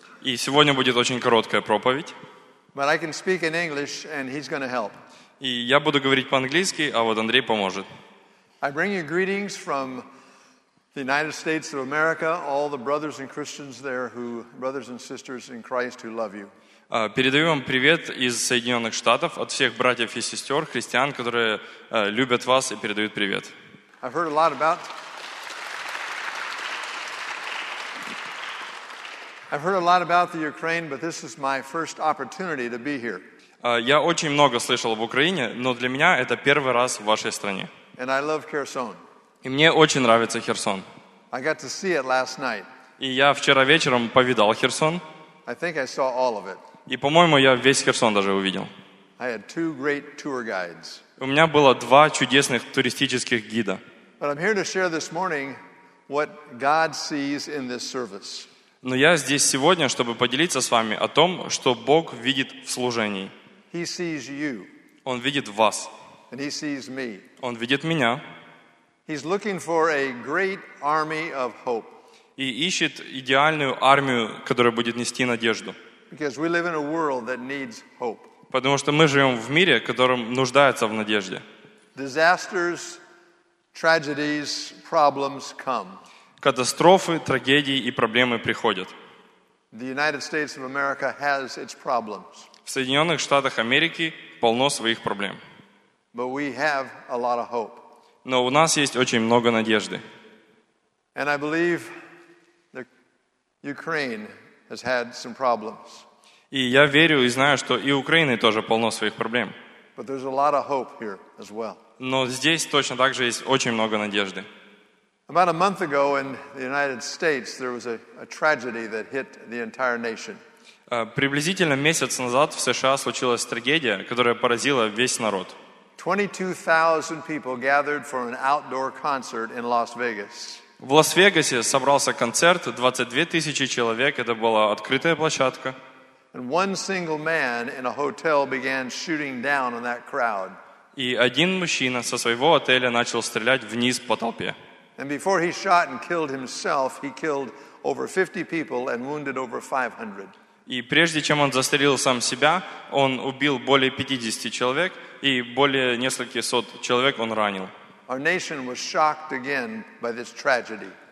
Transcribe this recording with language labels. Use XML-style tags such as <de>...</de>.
<ru>И сегодня будет очень короткая проповедь.</ru> <en>But I can speak in English, and he's going to help.</en> <ru>И я буду говорить по-английски, а вот Андрей поможет.</ru> <en>I bring you greetings from the United States of America, all the brothers and Christians there, who brothers and sisters in Christ who love you.</en> <ru>Передаю вам привет из Соединенных Штатов от всех братьев и сестер, христиан, которые любят вас и передают привет.</ru> <en>I've heard a lot about... I've heard a lot about the Ukraine, but this is my first opportunity to be here.</en> <ru>Я очень много слышал об Украине, но для меня это первый раз в вашей стране.</ru> <en>And I love Kherson.</en> <ru>И мне очень нравится Херсон.</ru> <en>I got to see it last night.</en> <ru>И я вчера вечером повидал Херсон.</ru> <en>I think I saw all of it.</en> <ru>И, по-моему, я весь Херсон даже увидел.</ru> <en>I had two great tour guides.</en> <ru>У меня было два чудесных туристических гида.</ru> <en>But I'm here to share this morning what God sees in this service.</en> <ru>Но я здесь сегодня, чтобы поделиться с вами о том, что Бог видит в служении.</ru> <en>He sees you.</en> <ru>Он видит вас.</ru> <en>And he sees me.</en> <ru>Он видит меня.</ru> <en>He's looking for a great army of hope.</en> <ru>И ищет идеальную армию, которая будет нести надежду.</ru> <en>Because we live in a world that needs hope.</en> <ru>Потому что мы живем в мире, который нуждается в надежде.</ru> <en>Disasters, tragedies, problems come.</en> <ru>Катастрофы, трагедии и проблемы приходят.</ru> <en>The United States of America has its problems.</en> <ru>В Соединенных Штатах Америки полно своих проблем.</ru> <en>But we have a lot of hope.</en> <ru>Но у нас есть очень много надежды.</ru> <en>And I believe that Ukraine has had some problems.</en> <ru>И я верю и знаю, что и Украины тоже полно своих проблем.</ru> <en>But there's a lot of hope here as well.</en> <ru>Но здесь точно так же есть очень много надежды.</ru> <en>About a month ago in the United States there was a tragedy that hit the entire nation.</en> <ru>Приблизительно месяц назад в США случилась трагедия, которая поразила весь народ.</ru> <en>22,000 people gathered for an outdoor concert in Las Vegas.</en> <ru>В Лас-Вегасе собрался концерт, 22 тысячи человек, это была открытая площадка.</ru> <en>And one single man in a hotel began shooting down on that crowd.</en> <ru>И один мужчина со своего отеля начал стрелять вниз по толпе.</ru> <en>And before he shot and killed himself, he killed over 50 people and wounded over 500.</en> <ru>И прежде чем он застрелил сам себя, он убил более 50 человек, и более нескольких сот человек он ранил.</ru> <en>Our nation was shocked again by this tragedy.</en>